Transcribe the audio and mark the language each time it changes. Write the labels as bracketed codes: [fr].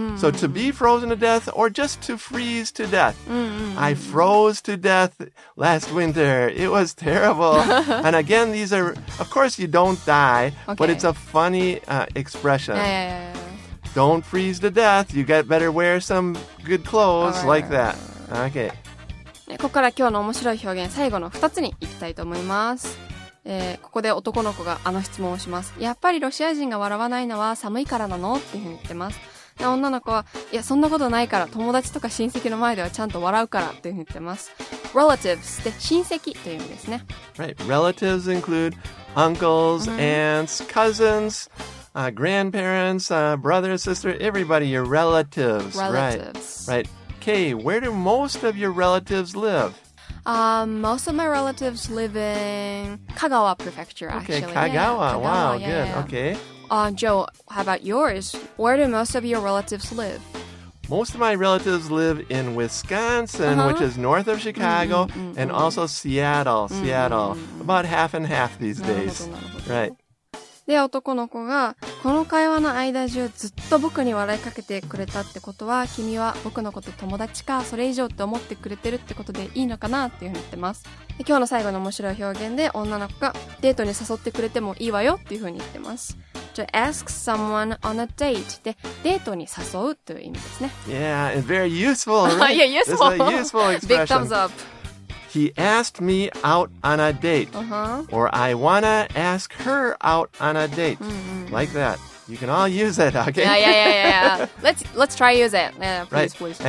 [en] So to be frozen to death or just to freeze to death. I froze to death last winter. It was terrible. And again, these are, of course you don't die, but it's a funny expression. Don't freeze to death. You got better wear some good clothes like that. Okay. [ja] ここから今日の面白い表現最後の2つに行きたいと思います。ここで男の子があの質問をします。やっぱりロシア人が笑わないのは寒いからなの？っていうふうに言ってます。で、女の子は、いや、そんなことないから、友達とか親戚の前ではちゃんと笑うからっていうふうに言ってます。 Relatives って親戚という意味ですね。 [en] Right. Relatives include uncles, aunts, cousins, grandparents, brothers, sisters, everybody, your relatives. Relatives. Right. Kay, where do most of your relatives live? Most of my relatives live in Kagawa Prefecture, actually. Okay, Kagawa. Yeah, yeah. Wow, Kagawa, good. Yeah, yeah. Okay. Joe, how about yours? Where do most of your relatives live? Most of my relatives live in Wisconsin, which is north of Chicago, and also Seattle. Seattle. About half and half these days. Right. [ja] で、男の子が、この会話の間中ずっと僕に笑いかけてくれたってことは、君は僕のこと友達か、それ以上って思ってくれてるってことでいいのかなっていうふうに言ってます。で、今日の最後の面白い表現で、女の子がデートに誘ってくれてもいいわよっていうふうに言ってます。 [en] To ask someone on a date [ja] で、デートに誘うという意味ですね。 [en] Yeah, it's very useful, right? Yeah, useful. This is a useful expression. Big thumbs up. He asked me out on a date. Or I wanna ask her out on a date. Like that. You can all use it, okay? Yeah. Let's try use it. Please.